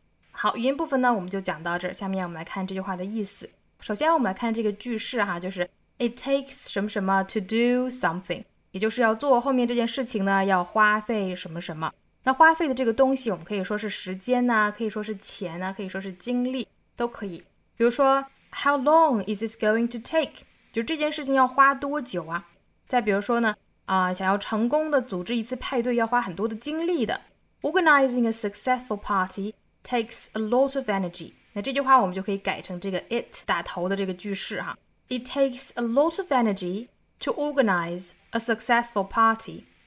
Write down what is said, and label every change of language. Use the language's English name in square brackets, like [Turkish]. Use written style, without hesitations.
[Chinese] 好，语音部分呢，我们就讲到这儿。下面我们来看这句话的意思。首先，我们来看这个句式哈，就是 it takes 什么什么 to do something，也就是要做后面这件事情呢，要花费什么什么。那花费的这个东西，我们可以说是时间呐，可以说是钱呐，可以说是精力，都可以。 [English] 比如说 how long is this going to take？ [Chinese] 就这件事情要花多久啊？再比如说呢？想要成功的组织一次派对要花很多的精力的。 [English] Organizing a successful party takes a lot of energy。 [Chinese] 那这句话我们就可以改成这个 it 打头的这个句式哈。 [English] It takes a lot of energy to organize a successful party。